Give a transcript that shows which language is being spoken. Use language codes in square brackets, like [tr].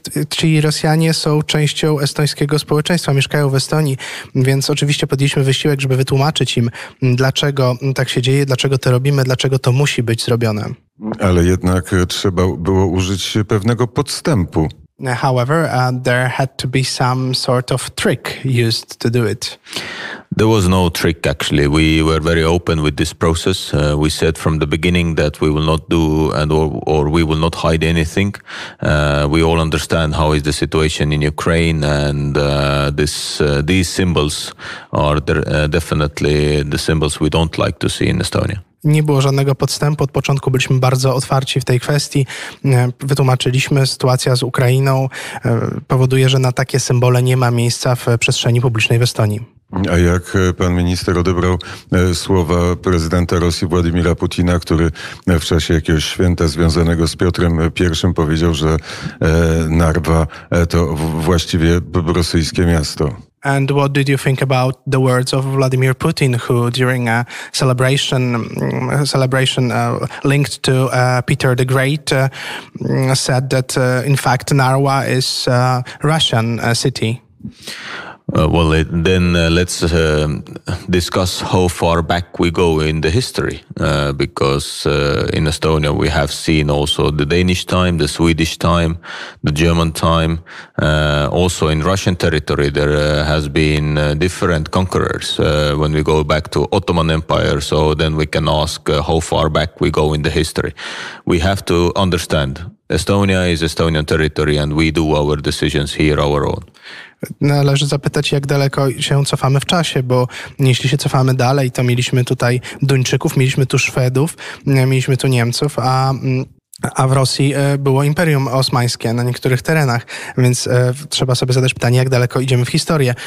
[pl] Ci Rosjanie są częścią estońskiego społeczeństwa, mieszkają w Estonii, więc oczywiście podjęliśmy wysiłek, żeby wytłumaczyć im, dlaczego tak się dzieje, dlaczego to robimy, dlaczego to musi być zrobione. Ale jednak trzeba było użyć pewnego podstępu. [en] However, there had to be some sort of trick used to do it. There was no trick, actually. We were very open with this process. We said from the beginning that we will not do or we will not hide anything. We all understand how is the situation in Ukraine, and these symbols are definitely the symbols we don't like to see in Estonia. [pl] Nie było żadnego podstępu. Od początku byliśmy bardzo otwarci w tej kwestii. Wytłumaczyliśmy, sytuacja z Ukrainą powoduje, że na takie symbole nie ma miejsca w przestrzeni publicznej w Estonii. A jak pan minister odebrał słowa prezydenta Rosji Władimira Putina, który w czasie jakiegoś święta związanego z Piotrem I powiedział, że Narwa to właściwie rosyjskie miasto? [en] And what did you think about the words of Vladimir Putin, who during a celebration linked to Peter the Great said that in fact Narva is a Russian city? Well, let's discuss how far back we go in the history, because in Estonia we have seen also the Danish time, the Swedish time, the German time. Also in Russian territory there has been different conquerors. When we go back to Ottoman Empire, so then we can ask how far back we go in the history. We have to understand Estonia is Estonian territory and we do our decisions here our own. [pl] Należy zapytać, jak daleko się cofamy w czasie, bo jeśli się cofamy dalej, to mieliśmy tutaj Duńczyków, mieliśmy tu Szwedów, mieliśmy tu Niemców, a w Rosji było Imperium Osmańskie na niektórych terenach, więc trzeba sobie zadać pytanie, jak daleko idziemy w historię.